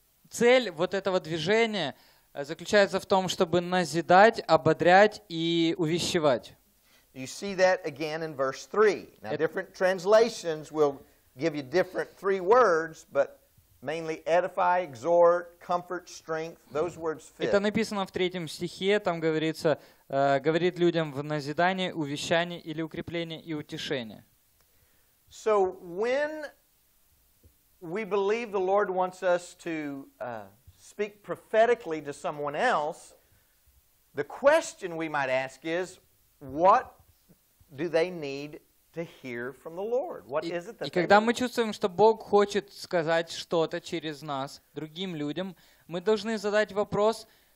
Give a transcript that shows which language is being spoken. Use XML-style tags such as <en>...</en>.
<ru>Цель вот этого движения заключается в том, чтобы назидать, ободрять и увещевать.</ru> <en>You see that again in verse 3. Now, different translations will give you different three words, but mainly edify, exhort, comfort, strength. Those words fit.</en> <ru>Это написано в третьем стихе. Там говорится, говорит людям в назидание, увещание или укрепление и утешение.</ru> <en>So when we believe the Lord wants us to speak prophetically to someone else, the question we might ask is, what do they need to hear from the Lord? What is it that?</en> <ru>И когда мы чувствуем, что Бог хочет сказать что-то через нас другим людям, мы должны задать вопрос.</ru>